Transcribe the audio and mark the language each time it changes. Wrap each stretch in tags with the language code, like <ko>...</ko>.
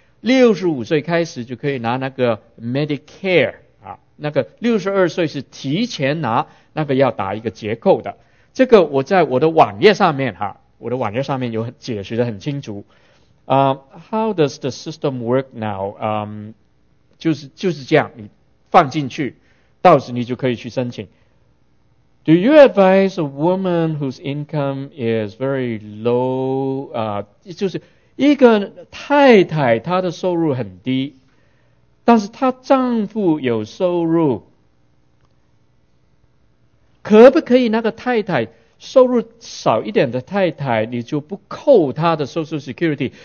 <zh>65岁开始就可以拿那个 Medicare 啊，那个62岁是提前拿，那个要打一个折扣的。这个我在我的网页上面哈，我的网页上面有解释得很清楚。</zh> <en>How does the system work now?</en> <zh>就是这样，你放进去，到时你就可以去申请。</zh> <en>Do you advise a woman whose income is very low?</en> <zh>就是一个太太，她的收入很低，但是她丈夫有收入，可不可以那个太太收入少一点的太太，你就不扣她的 Social Security？</zh>